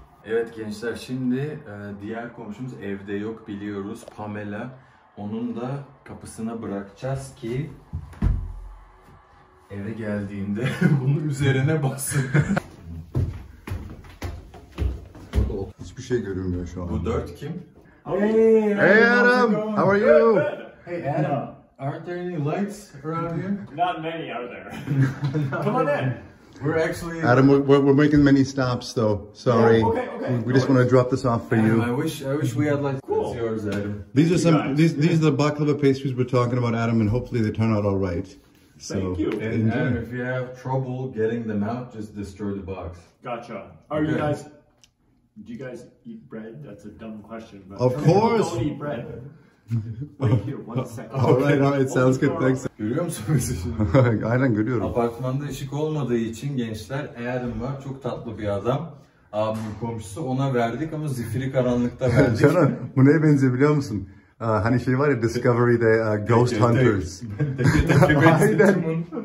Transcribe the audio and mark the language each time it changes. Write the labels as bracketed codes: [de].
[tr] Evet gençler, şimdi diğer komşumuz evde yok biliyoruz, Pamela. Onun da kapısına bırakacağız ki eve geldiğinde bunun üzerine bassın. Hiçbir şey görünmüyor şu an. Bu dört kim? [en] Hey Adam, how are you? Hey Adam, aren't there any lights around here? Not many, are there? Come on in. We're actually Adam, we're making many stops though. Sorry. Yeah, okay, okay. We just want to drop this off for Adam, you. I wish we had like cool. It's yours, Adam. These are some these are the baklava pastries we're talking about, Adam, and hopefully they turn out all right. So, thank you. And Adam, if you have trouble getting them out, just destroy the box. Gotcha. Are okay. Do you guys eat bread? That's a dumb question, but of course. Don't eat bread. Wait here, one second. All right, sounds good, thanks. [tr] Görüyor musunuz? Aynen görüyorum. Apartmanda ışık olmadığı için gençler, Adam var, çok tatlı bir adam. Abimin komşusu, ona verdik ama zifiri karanlıkta verdik. Canan, bu neye benziyor biliyor musun? Hani şey var ya, Discovery'de Ghost Hunters. Aynen.